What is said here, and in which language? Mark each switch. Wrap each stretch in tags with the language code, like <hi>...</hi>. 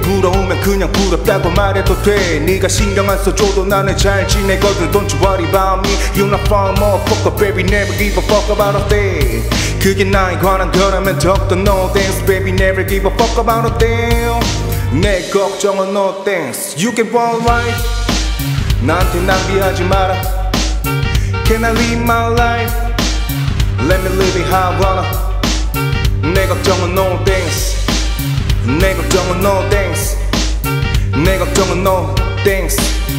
<ko>부러우면 그냥 부럽다고 말해도 돼. 네가 신경 안 써줘도 나는 잘 지내거든.</ko> <en>Don't you worry about me. You're not from motherfucker. Baby never give a fuck about a thing.</en> <ko>그게 나에 관한 거라면 더욱더</ko> <en>no thanks. Baby never give a fuck about a thing.</en> <ko>내 걱정은</ko> <en>no thanks. You get one life.</en> <ko>나한테 낭비하지 마라.</ko> <en>Can I live my life? Let me live it how I wanna.</en> <ko>내 걱정은</ko> <en>no thanks.</en> <ko>내 걱정은 no thanks. 내 걱정은 no thanks.</ko>